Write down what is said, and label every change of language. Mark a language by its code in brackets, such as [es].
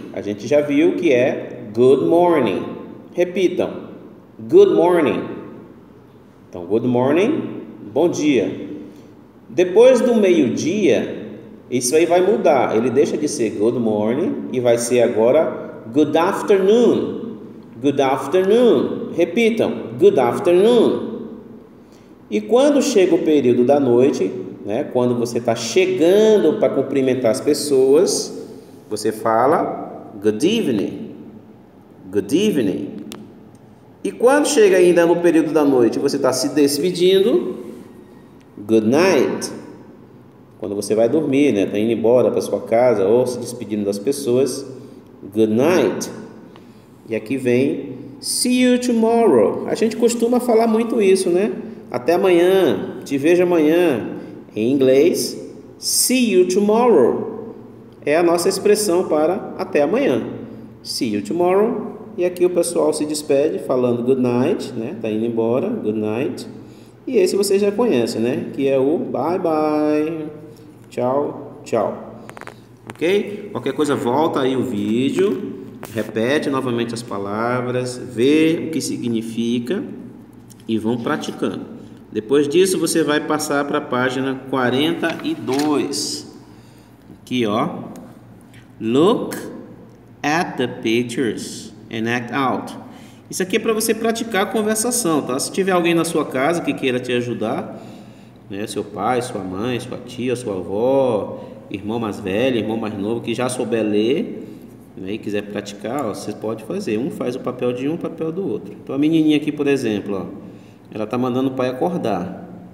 [pt] A gente já viu que é [en] good morning. [pt] Repitam, good morning. Então, [en] good morning, [pt] bom dia. Depois do meio-dia, isso aí vai mudar. Ele deixa de ser [en] good morning [pt] e vai ser agora [en] good afternoon. Good afternoon. [pt] Repitam, [en] good afternoon. [pt] E quando chega o período da noite, né, quando você está chegando para cumprimentar as pessoas, você fala [en] good evening. Good evening. [pt] E quando chega ainda no período da noite, você está se despedindo, [en] good night. [pt] Quando você vai dormir, né? Está indo embora para sua casa ou se despedindo das pessoas, [en] good night. [pt] E aqui vem [en] see you tomorrow. [pt] A gente costuma falar muito isso, né? Até amanhã, te vejo amanhã. Em inglês, [en] see you tomorrow. [pt] É a nossa expressão para até amanhã. [en] See you tomorrow. [pt] E aqui o pessoal se despede falando [en] good night, [pt] né? Está indo embora, good night. E esse você já conhece, né? Que é o [en] bye bye. [pt] Tchau, tchau. Ok? Qualquer coisa, volta aí o vídeo. Repete novamente as palavras. Vê o que significa. E vão praticando. Depois disso, você vai passar para a página 42. Aqui, ó. [en] Look at the pictures and act out. [pt] Isso aqui é para você praticar a conversação, tá? Se tiver alguém na sua casa que queira te ajudar, né? Seu pai, sua mãe, sua tia, sua avó, irmão mais velho, irmão mais novo, que já souber ler, né, e quiser praticar, ó, você pode fazer. Um faz o papel de um, o papel do outro. Então, a menininha aqui, por exemplo, ó, ela está mandando o pai acordar.